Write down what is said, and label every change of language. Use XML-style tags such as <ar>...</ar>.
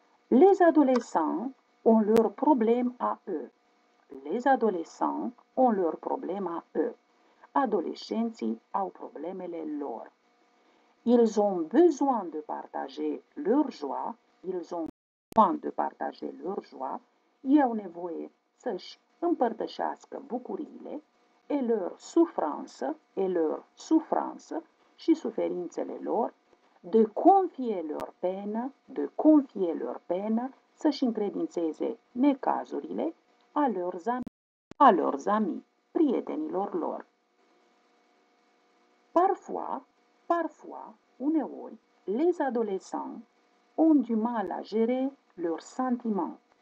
<fr>Les adolescents ont leur problème à eux. Les adolescents ont leur problème à eux.</fr> <ro>Adolescenti au problemele lor.</ro> <fr>Ils ont besoin de partager leur joie. Ils ont besoin de partager leur joie.</fr> <ro>Ei au nevoie să-și împărtășească bucuriile</ro> <fr>et leur souffrance et leur souffrance</fr> <ro>și suferințele lor,</ro> <fr>de confier leur peine, de confier leur peine,</fr> <ro>să-și încredințeze necazurile</ro> <fr>a leurs amis,</fr> <ro>prietenilor lor.</ro> <fr>Parfois,</fr> <ro>uneori,</ro> <fr>les adolescents ont du mal à gérer leurs sentiments.</fr>